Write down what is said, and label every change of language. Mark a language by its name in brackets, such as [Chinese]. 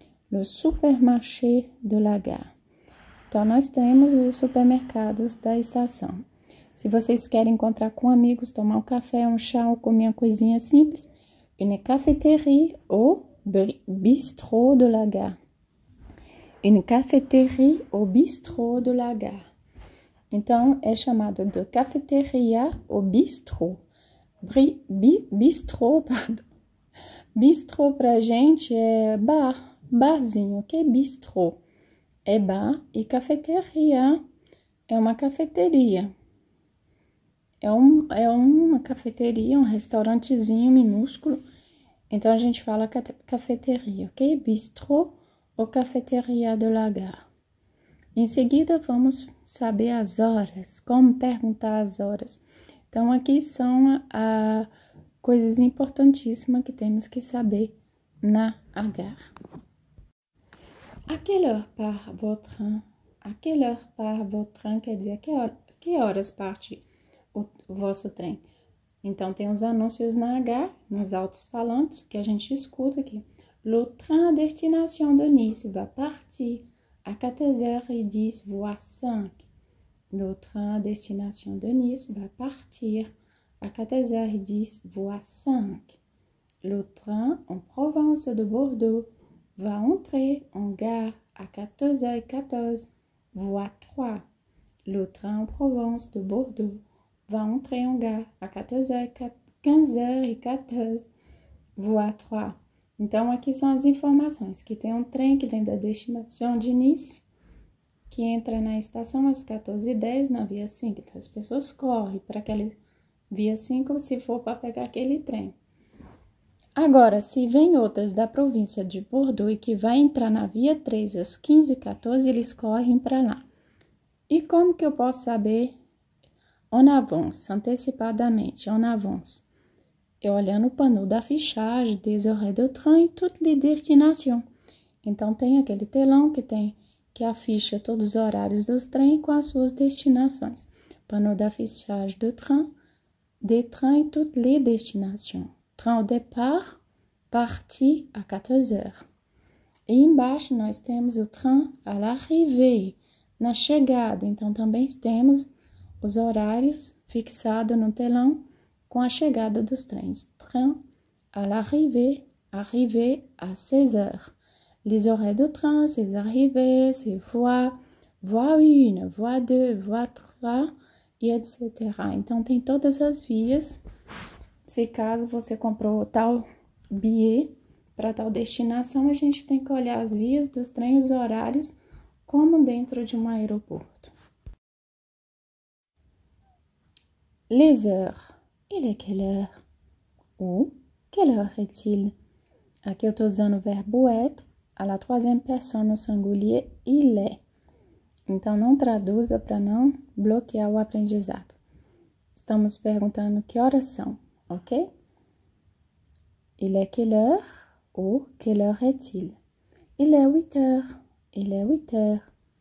[French] Le supermarché de la gare. [Portuguese] Então, nós temos os supermercados da estação. Se vocês querem encontrar com amigos, tomar um café, um chá ou comer uma coisinha simples, [French] une cafeterie ou bistrot de la gare. Une cafeterie ou bistrot de la gare. [Portuguese] Então, é chamado de cafeteria ou bistrot. [French] Bistrot, pardon. [Portuguese] Bistrot pra gente é bar. Barzinho, ok? Bistrô é bar e cafeteria é uma cafeteria. É uma cafeteria, um restaurantezinho minúsculo. Então, a gente fala cafeteria, ok? Bistrô ou cafeteria [French] de la gare. [Portuguese] Em seguida, vamos saber as horas, como perguntar as horas. Então, aqui são coisas importantíssimas que temos que saber na gare. [French] À quelle heure part votre train? À quelle heure part votre train? [Portuguese] Quer dizer, que horas parte o vosso trem? Então, tem os anúncios na H, nos altos falantes, que a gente escuta aqui. [French] Le train à destination de Nice va partir à 14h10, voie 5. Le train à destination de Nice va partir à 14h10, voie 5. Le train en Provence de Bordeaux va entrer en gare à 14h14, voie 3. Le train en Provence de Bordeaux va entrer en gare à 15h14, voie 3. [Portuguese] Então, aqui são as informações. Que tem um trem que vem da destinação de Nice que entra na estação às 14h10 na Via 5. Então, as pessoas correm para aquela Via 5 se for para pegar aquele trem. Agora, se vem outras da província de Bordeaux e que vai entrar na Via 3 às 15h14, eles correm para lá. E como que eu posso saber? [French] En avance, [Portuguese] antecipadamente, [French] en avance. Et [Portuguese] olhando o [French] panneau d'affichage des horaires de train et toutes les destinations. [Portuguese] Então, tem aquele telão que afficha todos os horários dos trens com as suas destinações. [French] Panneau d'affichage de train, des trains et toutes les destinations. Train au départ, parti à 14h. [Portuguese] E embaixo, nós temos o [French] train à l'arrivée, [Portuguese] na chegada. Então, também temos os horários fixados no telão com a chegada dos trens. [French] Train à l'arrivée, arrivé à 16h. Les horaires de train, ses arrivées, ses voies, voie 1, voie 2, voie 3, et etc. [Portuguese] Então, tem todas as vias. Se caso você comprou tal bilhete para tal destinação, a gente tem que olhar as vias dos trens, os horários, como dentro de um aeroporto. [French] Les heures. Il est quelle heure? Ou, quelle heure est-il? [Portuguese] Aqui eu estou usando o verbo [French] être à la troisième personne au singulier, il est. [Portuguese] Então, não traduza para não bloquear o aprendizado. Estamos perguntando que horas são, ok? [French] Il est quelle heure? Ou, quelle heure est-il? Il est 8 heures. Il est 8 heures.